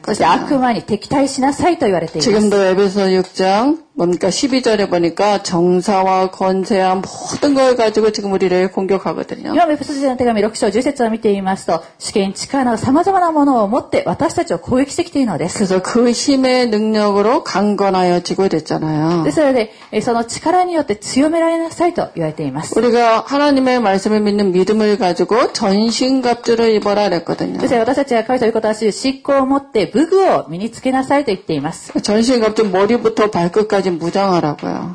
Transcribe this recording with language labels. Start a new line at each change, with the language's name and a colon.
Korean: 거든요
Japanese: そして悪魔に敵対しなさいと言われています
Korean: 지금도에베소6장뭡니까12절에보니까정사와권세와모든걸가지고지금우리를공격하거든요
Japanese: 今エペソ人の手紙6章10節を見てみますと主権力など様々なものを持って私たちを攻撃してきているのです
Korean: 그래서그힘의능력으로강건하여지고됐잖아요
Japanese: ですのでその力によって強められなさいと言われています
Korean: 우리가하나님의말씀을믿는믿음을가지고전신갑주를입어라그랬거든요
Japanese: ですので私たちは神様の言葉を信仰を持って武具を身につけなさいと言っています
Korean: 전신갑주머리부터발끝까지무장하라고요